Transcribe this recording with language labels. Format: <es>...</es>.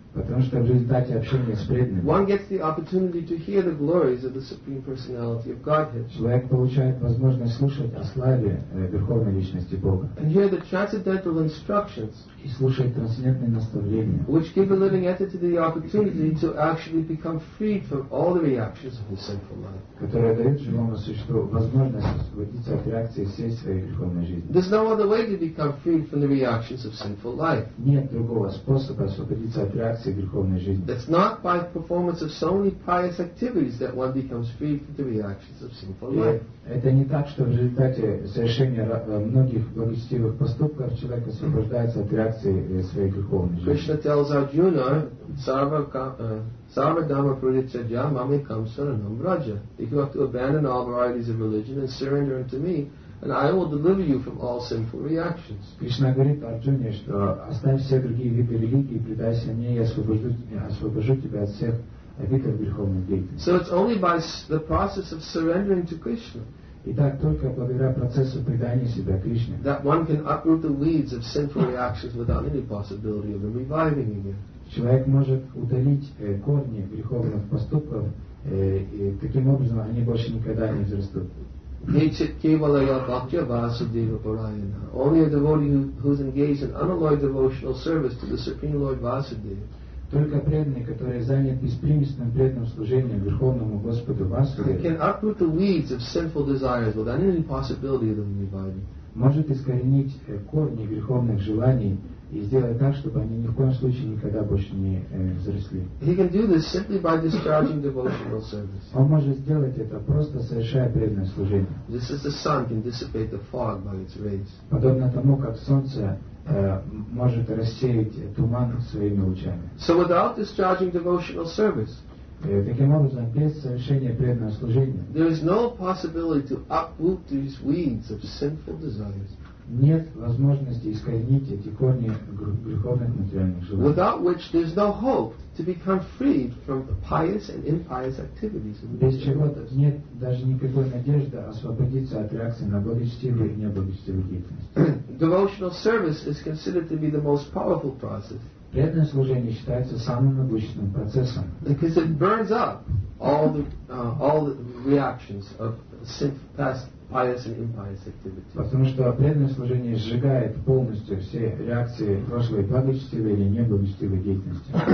<ru>потому что в результате общения с преданными,</ru> <en>one gets the opportunity to hear the glories of the Supreme Personality of Godhead.</en> <ru>Человек получает возможность слушать о славе Верховной Личности Бога.</ru> <en>And hear the transcendental instructions,</en> <ru>и слушать трансцендентные наставления,</ru> <en>which give a living entity the opportunity to actually become freed from all the reactions of his sinful life.</en> <ru>Которая дает живому существу возможность освободиться от реакции всей своей греховной жизни.</ru> <en>There's no other way to become freed from the reactions of sinful life.</en> <ru>Нет другого способа освободиться от реакции.</ru> <en>It's not by performance of so many pious activities that one becomes free from the reactions of sinful life.</en> <ru>Это не так, что в результате совершения многих благочестивых поступков человек освобождается от реакции своей греховной жизни.</ru> <en>Krishna tells Arjuna,</en> <sa>sarva dhamma pratityajya mame kam saranam raja.</sa> <en>If you have to abandon all varieties of religion and surrender unto me, and I will deliver you from all sinful reactions.</en> <ru>Кришна говорит Арджуне, что оставь все другие виды религии, предайся мне, и освобожу тебя от всех видов греховной деятельности.</ru> <en>So it's only by the process of surrendering to Krishna.</en> <ru>Итак, только благодаря процессу предания себя Кришне.</ru> <en>That one can uproot the weeds of sinful reactions without any possibility of them reviving again.</en> <ru>Человек может удалить корни греховных поступков, и таким образом они больше никогда не взрастут.</ru> <en>Only a devotee who is engaged in unalloyed devotional service to the Supreme Lord Vasudeva.</en> <ru>Только преданный, который занят беспримесным преданным служением Верховному Господу Васудеве,</ru> <en>can uproot the weeds of sinful desires without any possibility of them reviving.</en> <ru>Может искоренить корни греховных желаний и сделать так, чтобы они ни в коем случае никогда больше не взросли.</ru> <en>He can do this simply by discharging devotional service.</en> <ru>Он может сделать это, просто совершая преданное служение.</ru> <en>Just as the sun can dissipate the fog by its rays.</en> <ru>Подобно тому, как солнце может рассеять туман своими лучами.</ru> <en>So without discharging devotional service,</en> <ru>таким образом, без совершения преданного служения,</ru> <en>there is no possibility to uproot these weeds of sinful desires.</en> <ru>Нет возможности искоренить эти корни греховных материальных желаний.</ru> <en>Without which there's no hope to become freed from the pious and impious activities.</en> <ru>Без чего нет даже никакой надежды освободиться от реакции на благочестивую и неблагочестивую деятельность.</ru> <en>Devotional service is considered to be the most powerful process.</en> <ru>Преданное служение считается самым могущественным процессом.</ru> <en>Because it burns up all the reactions of sinful past. Pious and impious activities.</en> <ru>Потому что преданное служение сжигает полностью все реакции прошлой благочестивой или неблагочестивой деятельности.</ru>